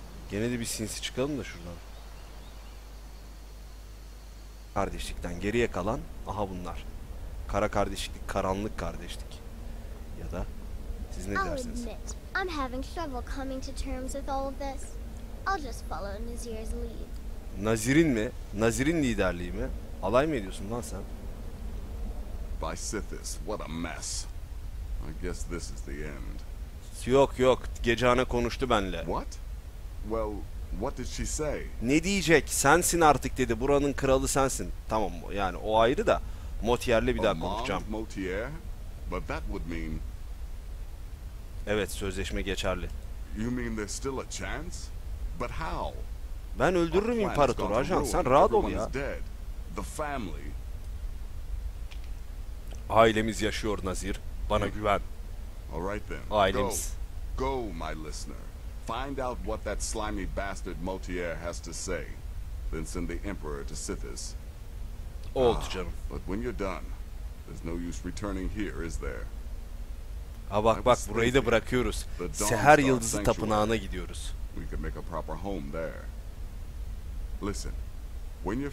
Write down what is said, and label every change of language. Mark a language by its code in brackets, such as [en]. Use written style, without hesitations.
[tr] Gene de bir sinsi çıkalım da şuradan. Kardeşlikten geriye kalan aha bunlar. Kara kardeşlik, karanlık kardeşlik. Ya da siz ne dersiniz? [en] I'm having trouble coming to terms with all of this. I'll just follow Nazir's lead. [tr] Nazir'in mi? Nazir'in liderliği mi? Alay mı ediyorsun lan sen? [en] By Sithis, what a mess. I guess this is the end. [tr] Yok yok, gece ana konuştu benle. [en] What? Well, what did she say? [tr] Ne diyecek? Sensin artık dedi. Buranın kralı sensin. Tamam, yani o ayrı da. Motier'le bir daha konuşacağım. [en] Motier? But that would mean... [tr] Evet, sözleşme geçerli. [en] You mean there's still a chance? But how? [tr] Ben öldürürüm imparatoru ajan. Sen rahat ol ya. [en] The family. [tr] Ailemiz yaşıyor Nazir. Bana güven. [en] All right then. [tr] Ailemiz. [en] Go, my listener. Find out what that slimy bastard Motier has to say, then send the Emperor to Sithis. Old gentleman. But when you're done, there's no use returning here, is there? [tr] Ha bak bak, burayı da bırakıyoruz. Seher Yıldızı Tapınağı'na gidiyoruz. [en] We can make a proper home there. Listen, when you're